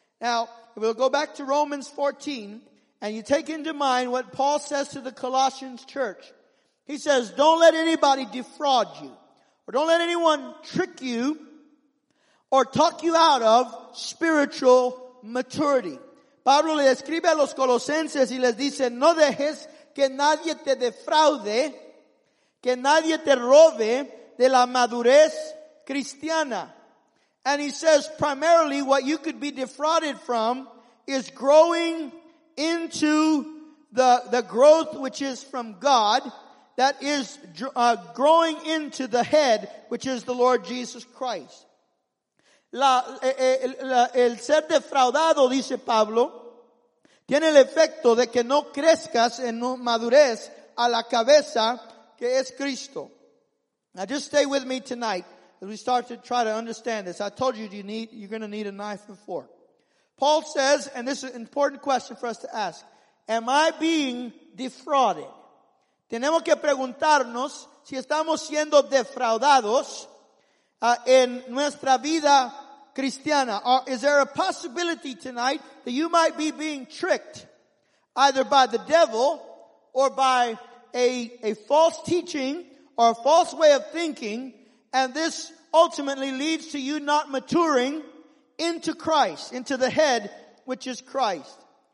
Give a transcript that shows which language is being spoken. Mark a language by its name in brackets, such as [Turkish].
[English] Now, we'll go back to Romans 14, and you take into mind what Paul says to the Colossians church. He says, don't let anybody defraud you, or don't let anyone trick you or talk you out of spiritual maturity. [Spanish] Pablo le escribe a los colosenses y les dice, no dejes que nadie te defraude, que nadie te robe de la madurez cristiana. [English] And he says primarily what you could be defrauded from is growing into the growth which is from God, that is growing into the head, which is the Lord Jesus Christ. [Spanish] El ser defraudado, dice Pablo, tiene el efecto de que no crezcas en madurez a la cabeza, que es Cristo. [English] Now just stay with me tonight as we start to try to understand this. I told you you're going to need a knife and fork. Paul says, and this is an important question for us to ask, am I being defrauded? [Spanish] Tenemos que preguntarnos si estamos siendo defraudados en nuestra vida cristiana. [English] Is there a possibility tonight that you might be being tricked either by the devil or by a false teaching or a false way of thinking, and this ultimately leads to you not maturing into Christ, into the head, which is Christ.